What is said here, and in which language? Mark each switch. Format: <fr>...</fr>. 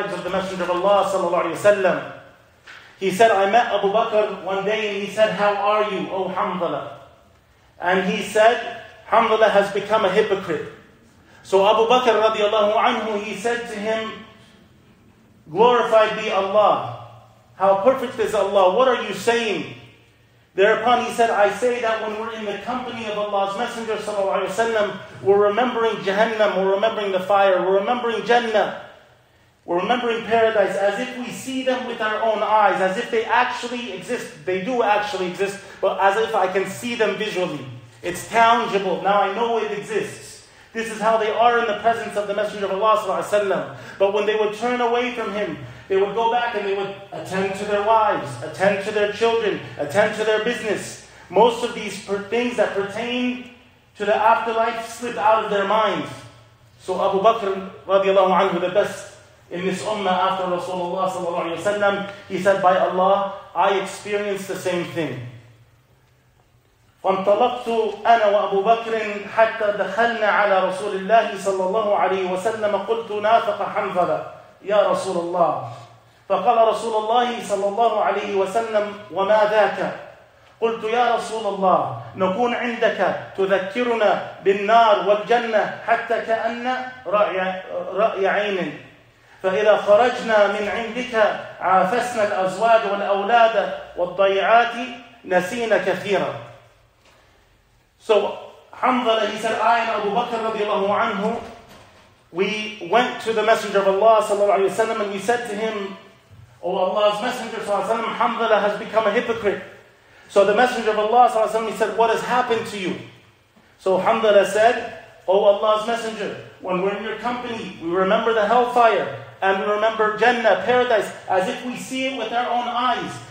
<en>messenger of Allah</en> <ar>صلى الله عليه وسلم</ar> <en>he said I met Abu Bakr one day and he said how are you O حنظلة and he said حنظلة has become a hypocrite So Abu Bakr radiallahu anhu, he said to him, Glorified be Allah. How perfect is Allah? What are you saying? Thereupon he said, I say that when we're in the company of Allah's Messenger sallallahu alayhi wa sallam, we're remembering Jahannam, we're remembering the fire, we're remembering Jannah, we're remembering paradise as if we see them with our own eyes, as if they actually exist. They do actually exist, but as if I can see them visually. It's tangible. Now I know it exists. This is how they are in the presence of the Messenger of Allah Sallallahu Alaihi Wasallam. But when they would turn away from him, they would go back and they would attend to their wives, attend to their children, attend to their business. Most of these things that pertain to the afterlife slip out of their minds. So Abu Bakr radiallahu anhu, the best in this ummah after Rasulullah Sallallahu Alaihi Wasallam, he said, By Allah, I experienced the same thing.</en> <ar>وانطلقت أنا وأبو بكر حتى دخلنا على رسول الله صلى الله عليه وسلم قلت نافق حنظلة يا رسول الله فقال رسول الله صلى الله عليه وسلم وما ذاك قلت يا رسول الله نكون عندك تذكرنا بالنار والجنة حتى كأن رأي عين فإذا خرجنا من عندك عافسنا الأزواج والأولاد والضيعات نسينا كثيرا.</ar> <en>So Hamzah, he said, I and Abu Bakr radiallahu anhu, we went to the Messenger of Allah sallallahu alayhi wa sallam, and we said to him, O Allah's Messenger sallallahu alayhi wa sallam, Hamzah has become a hypocrite. So the Messenger of Allah sallallahu alayhi wa sallam, he said, what has happened to you? So Hamzah said, O Allah's Messenger, when we're in your company, we remember the hellfire, and we remember Jannah, paradise, as if we see it with our own eyes.</en>